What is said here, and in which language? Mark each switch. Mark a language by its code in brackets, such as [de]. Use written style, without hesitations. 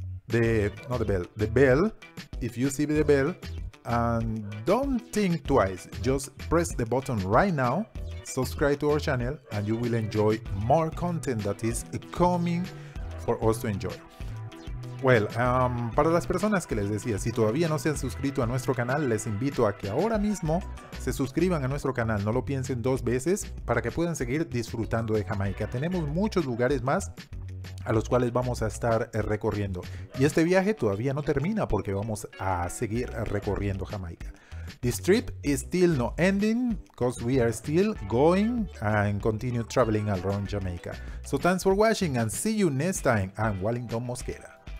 [en] If you see the bell, and don't think twice, just press the button right now. Subscribe to our channel and you will enjoy more content that is coming for us to enjoy. [es] Para las personas que les decía, si todavía no se han suscrito a nuestro canal, les invito a que ahora mismo se suscriban a nuestro canal, no lo piensen dos veces, para que puedan seguir disfrutando de Jamaica. Tenemos muchos lugares más a los cuales vamos a estar recorriendo, y este viaje todavía no termina porque vamos a seguir recorriendo Jamaica. [en] This trip is still not ending because we are still going and continue traveling around Jamaica. So thanks for watching and see you next time. I'm Walinton Mosquera.